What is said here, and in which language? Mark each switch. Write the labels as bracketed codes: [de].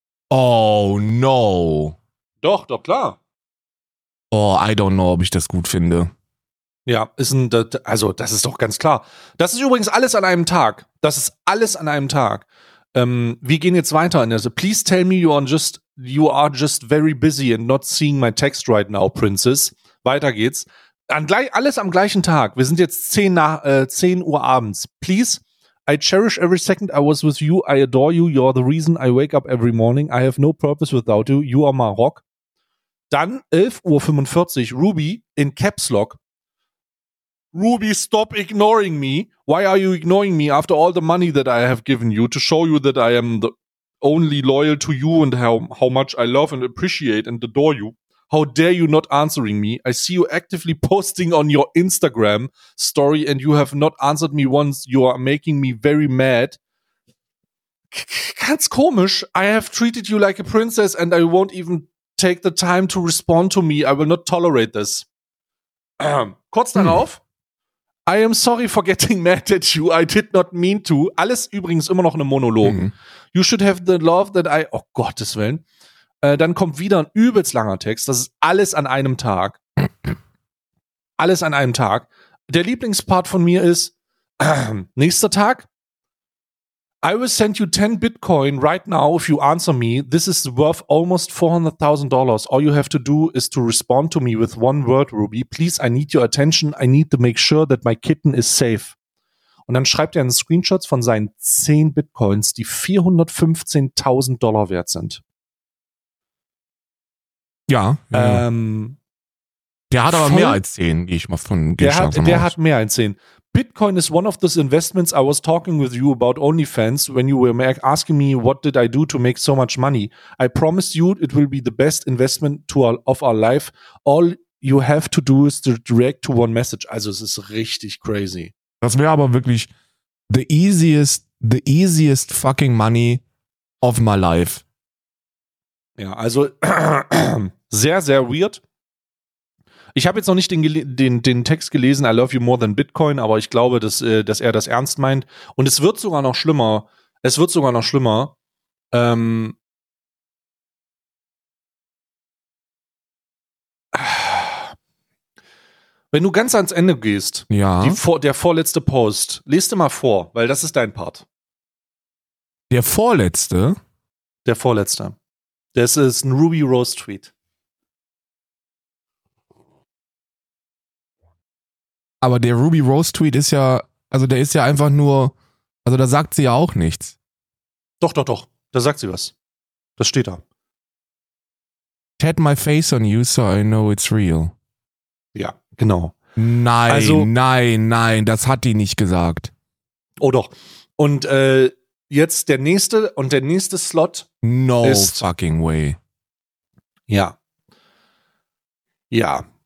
[en] Oh no. [de] Doch, klar. [en] Oh, I don't know, [de] ob ich das gut finde. Ja, das ist doch ganz klar. Das ist übrigens alles an einem Tag. Das ist alles an einem Tag. Wir gehen jetzt weiter in der. [en] Please tell me you are just you are just very busy and not seeing my text right now, Princess. [de] Weiter geht's. Alles am gleichen Tag. Wir sind jetzt 10 Uhr abends. [en] Please, I cherish every second I was with you. I adore you. You're the reason I wake up every morning. I have no purpose without you. You are my rock. [de] Dann 11.45 Uhr, Ruby in Caps Lock. [en] Ruby, stop ignoring me. Why are you ignoring me after all the money that I have given you to show you that I am the only loyal to you and how much I love and appreciate and adore you? How dare you not answering me? I see you actively posting on your Instagram story and you have not answered me once. You are making me very mad. [de] Ganz komisch. [en] I have treated you like a princess and I won't even take the time to respond to me. I will not tolerate this. [de] Kurz darauf. [en] I am sorry for getting mad at you. I did not mean to. [de] Alles übrigens immer noch ein Monolog. [en] You should have the love that I... [de] Oh, Gottes Willen. Dann kommt wieder ein übelst langer Text. Das ist alles an einem Tag. Alles an einem Tag. Der Lieblingspart von mir ist nächster Tag. [en] I will send you 10 Bitcoin right now if you answer me. This is worth almost $400,000. All you have to do is to respond to me with one word, Ruby. Please, I need your attention. I need to make sure that my kitten is safe. [de] Und dann schreibt er einen Screenshot von seinen 10 Bitcoins, die $415,000 wert sind. Ja. Der hat aber mehr als 10, gehe ich mal von Geldschlafen aus. Der hat mehr als 10. [en] Bitcoin is one of those investments I was talking with you about OnlyFans when you were asking me what did I do to make so much money. I promise you it will be the best investment of our life. All you have to do is to direct to one message. [de] Also es ist richtig crazy. Das wäre aber wirklich [en] the easiest fucking money of my life. [de] Ja, also sehr, sehr weird. Ich habe jetzt noch nicht den Text gelesen, [en] I love you more than Bitcoin, [de] aber ich glaube, dass er das ernst meint. Und es wird sogar noch schlimmer. Es wird sogar noch schlimmer. Wenn du ganz ans Ende gehst, ja. Der vorletzte Post, lest dir mal vor, weil das ist dein Part. Der vorletzte? Der vorletzte. Das ist ein Ruby Rose Tweet. Aber der Ruby Rose Tweet ist ja, also der ist ja einfach nur, also da sagt sie ja auch nichts. Doch, doch, doch. Da sagt sie was. Das steht da. [en] Tat my face on you, so I know it's real. [de] Ja, genau. Nein, also, nein, nein, das hat die nicht gesagt. Oh doch. Und jetzt der nächste und der nächste Slot. [en] No ist, fucking way. [de] Ja. Ja.